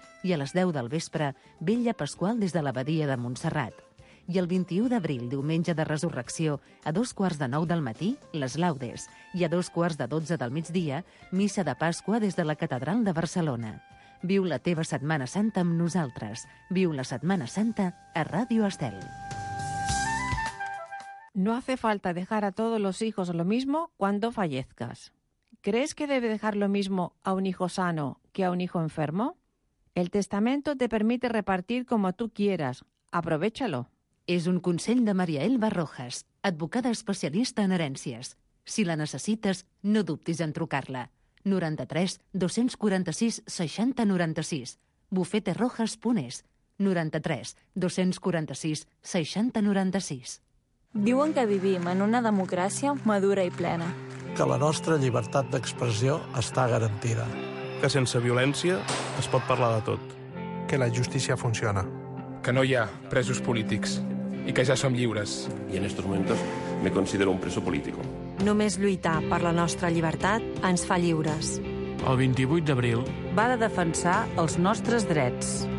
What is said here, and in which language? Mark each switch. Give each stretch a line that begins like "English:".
Catalan: I a les 10 del vespre, Vetlla Pasqual des de l'abadia de Montserrat. I el 21 d'abril, diumenge de Resurrecció, a 9:15 del matí, les laudes. I a 11:15 del migdia, missa de Pasqua des de la catedral de Barcelona. Viu la teva Setmana Santa amb nosaltres. Viu la Setmana Santa a Ràdio Estel.
Spanish: No hace falta dejar a todos los hijos lo mismo cuando fallezcas. ¿Crees que debe dejar lo mismo a un hijo sano que a un hijo enfermo? El testamento te permite repartir como tú quieras. Aprovechalo.
Catalan: És un consell de María Elba Rojas, advocada especialista en herències. Si la necessites, no dubtis en trucar-la. 93 246 60 96. Bufeterojas.es. 93 246 60 96. Diuen que vivim en una democràcia madura i plena. Que la nostra llibertat d'expressió està garantida. Que sense violència es pot parlar de tot. Que la justícia funciona. Que no hi ha presos polítics i que ja som lliures.
Spanish: I en estos momentos me considero un preso político.
Catalan: Només lluitar per la nostra llibertat ens fa lliures. El 28 d'abril va de defensar els nostres drets.